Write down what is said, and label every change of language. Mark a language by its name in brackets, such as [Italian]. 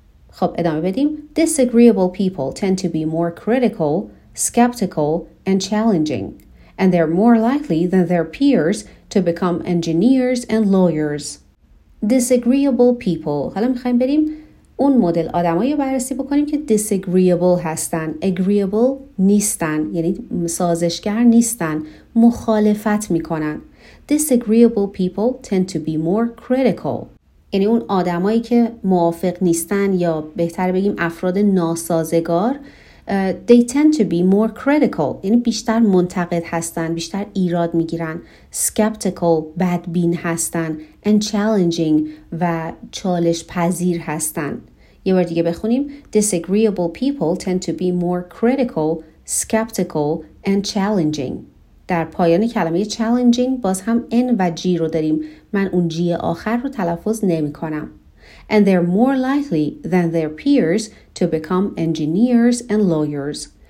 [Persian] خب ادامه بدیم. [English] Disagreeable people tend to be more critical, skeptical and challenging، and they're more likely than their peers to become engineers and lawyers. Disagreeable people. [Persian] حالا میخواییم بریم اون مدل آدمایی رو بررسی بکنیم که disagreeable هستن، agreeable نیستن، یعنی سازشگر نیستن، مخالفت میکنن. [English] Disagreeable people tend to be more critical. [Persian] یعنی اون آدمایی که موافق نیستن یا بهتر بگیم افراد ناسازگار، [English] they tend to be more critical. [Persian] یعنی بیشتر منتقد هستن، بیشتر ایراد میگیرن، skeptical بدبین هستن، [English] and challenging [Persian] و چالش پذیر هستن. یه بار دیگه بخونیم: [English] disagreeable people tend to be more critical, skeptical and challenging. [Persian] در پایان کلمه challenging باز هم N و G رو داریم. من اون G آخر رو تلفظ نمی کنم. [English] And they're more likely than their peers to become engineers and lawyers.